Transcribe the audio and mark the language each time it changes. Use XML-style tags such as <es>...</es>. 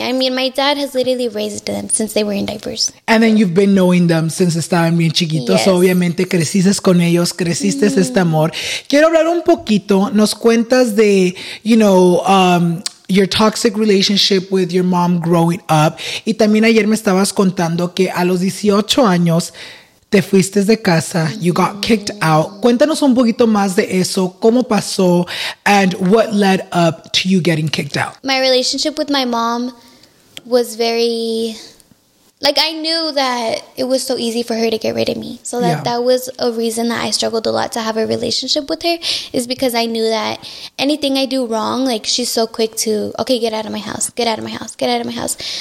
<en>I mean, my dad has literally raised them since they were in diapers. And then you've been knowing them since</en> <es>estaban bien chiquitos.</es> <en>Yes.</en> <es>So obviamente creciste con ellos, creciste este amor. Quiero hablar un poquito. Nos cuentas de,</es> <en>you know, your toxic relationship with your mom growing up.</en> <es>Y también ayer me estabas contando que a los 18 años te fuiste de casa. Mm-hmm.</es> <en>You got kicked out.</en> <es>Cuéntanos un poquito más de eso. ¿Cómo pasó?</es> <en>And what led up to you getting kicked out? My relationship with my mom was very... Like, I knew that it was so easy for her to get rid of me. So that, yeah. that was a reason that I struggled a lot to have a relationship with her, is because I knew that anything I do wrong, like, she's so quick to, okay, get out of my house, get out of my house, get out of my house.</en>